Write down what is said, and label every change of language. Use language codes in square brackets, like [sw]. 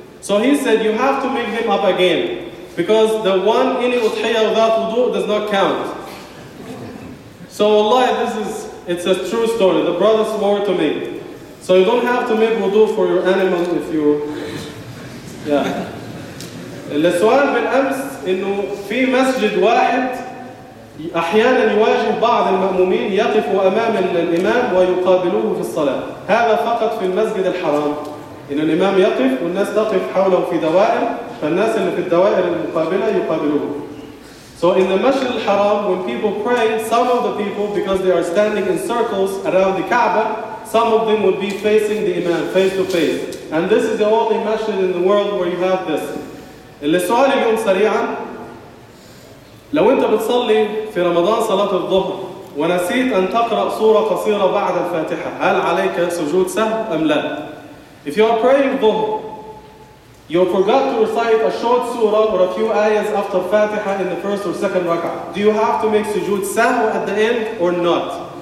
[en] So he said, you have to make them up again because the one any udhiyah without wudu does not count. So wallahi, this is, it's a true story. The brother swore to me. So you don't have to make wudu for your animal if you, yeah. [ar] السؤال من أمس إنه في مسجد واحد أحياناً يواجه بعض المأمومين يقف أمام الإمام ويقابلوه في الصلاة، هذا فقط في المسجد الحرام، إن الإمام يقف والناس تقف حوله في دوائر، فالناس اللي في الدوائر المقابلة يقابلوه. [en] So in the Masjid al-Haram, when people pray, some of the people, because they are standing in circles around the Kaaba, some of them would be facing the Imam face to face. And this is the only Masjid in the world where you have this. [ar] السؤال اليوم سريعاً، لو أنت بتصلي في رمضان صلاة الظهر ونسيت أن تقرأ سورة قصيرة بعد الفاتحة، هل عليك سجود سهو أم لا؟ [en] If you are praying ظهر, you forgot to recite a short surah or a few ayahs after فاتحة in the first or second rak'ah, do you have to make سجود سهو at the end or not?